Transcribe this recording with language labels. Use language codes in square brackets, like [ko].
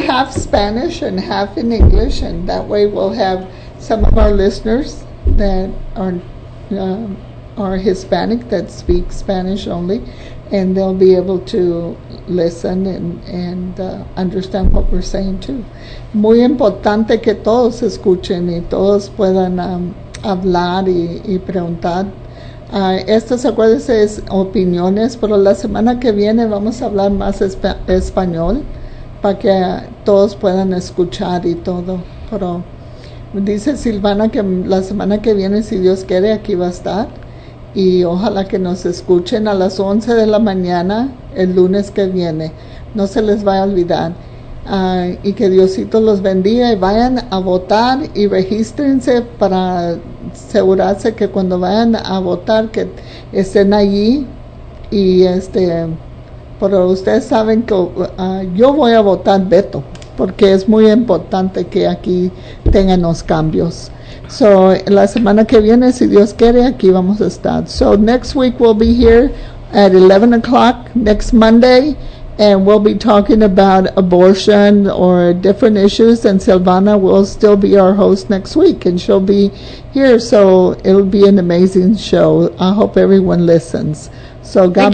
[en] do half Spanish and half in English, and that way we'll have some of our listeners that are Hispanic that speak Spanish only, and they'll be able to listen and understand what we're saying too. [es] Muy importante que todos escuchen y todos puedan hablar y preguntar. Estas, acuérdense, es opiniones, pero la semana que viene vamos a hablar más español para que todos puedan escuchar y todo. Pero dice Silvana que la semana que viene, si Dios quiere, aquí va a estar. Y ojalá que nos escuchen a las 11 de la mañana el lunes que viene. No se les va a olvidar. Y que Diosito los bendiga y vayan a votar y regístrense para asegurarse que cuando vayan a votar que estén allí. Y pero ustedes saben que yo voy a votar Beto, porque es muy importante que aquí tengan los cambios. So, la semana que viene, si Dios quiere, aquí vamos a estar. [en] So, next week we'll be here at 11 o'clock next Monday, and we'll be talking about abortion or different issues, and Silvana will still be our host next week, and she'll be here, so it'll be an amazing show. I hope everyone listens. So, God